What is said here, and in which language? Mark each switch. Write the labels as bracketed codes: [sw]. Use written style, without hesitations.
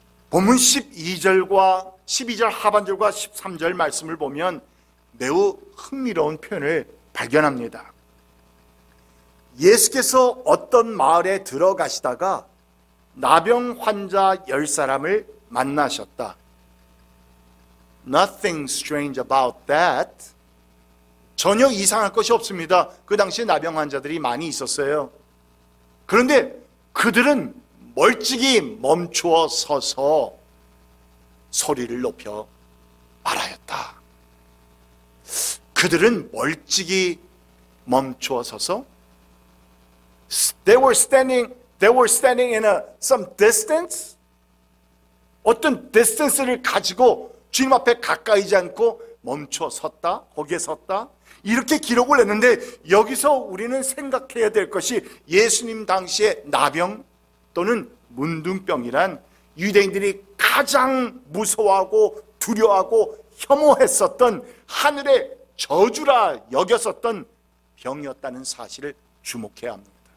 [ko] 본문 12절 하반절과 13절 말씀을 보면 매우 흥미로운 표현을 발견합니다. 예수께서 어떤 마을에 들어가시다가 나병 환자 열 사람을 만나셨다. [en] Nothing strange about that. [ko] 전혀 이상할 것이 없습니다. 그 당시에 나병 환자들이 많이 있었어요. 그런데 그들은 멀찍이 멈추어 서서 소리를 높여 말하였다. 그들은 멀찍이 멈추어 서서 [en] They were standing in some distance. [ko] 어떤 distance를 가지고 주님 앞에 가까이지 않고 멈춰 섰다. 거기에 섰다. 이렇게 기록을 했는데 여기서 우리는 생각해야 될 것이 예수님 당시에 나병 또는 문둥병이란 유대인들이 가장 무서워하고 두려워하고 혐오했었던 하늘의 저주라 여겼었던 병이었다는 사실을 주목해야 합니다.